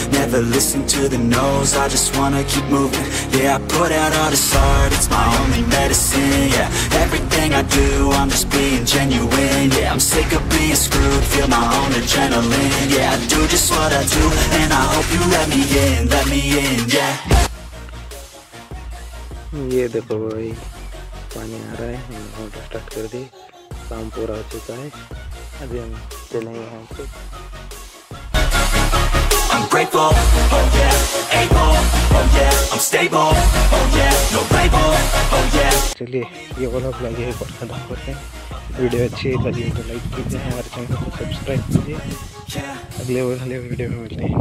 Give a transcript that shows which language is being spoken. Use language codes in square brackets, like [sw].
[en] Never listen to the no's, I just wanna keep moving. Yeah, I put out all this art, it's my only medicine. Yeah, everything I do, I'm just being genuine. Yeah, I'm sick of being screwed, feel my own adrenaline. Yeah, I do just what I do, and I hope you let me in, yeah. [hi] ये देखो भाई, पानी आ रहा है, हम motor start कर दी, काम पूरा हो चुका है, अभी हम चलेंगे यहाँ से. [en] I'm grateful, oh yeah, able, oh yeah, I'm stable, oh yeah, no label, oh yeah. [hi] चलिए ये वाला ब्लॉग एक बार खत्म करते हैं. वीडियो अच्छी लगी तो लाइक कीजिए, हमारे चैनल को सब्सक्राइब कीजिए. अगले अगले वीडियो में मिलते हैं.